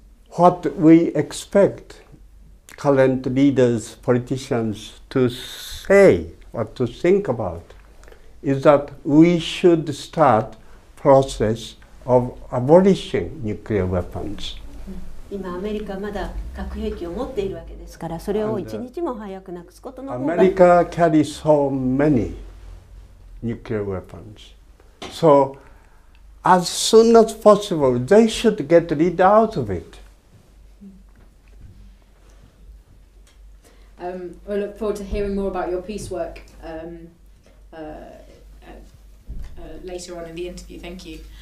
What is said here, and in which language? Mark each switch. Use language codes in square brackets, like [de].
[en] What we expect current leaders, politicians to say or to think about is that we should start process of abolishing nuclear weapons. [ja] 今アメリカはまだ核兵器を持っているわけですから、それを一日も早くなくすことの方が。 [en] アメリカ carry so many nuclear weapons. So as soon as possible, they should get rid out of it. We look forward to hearing more about your peace work later on in the interview. Thank you.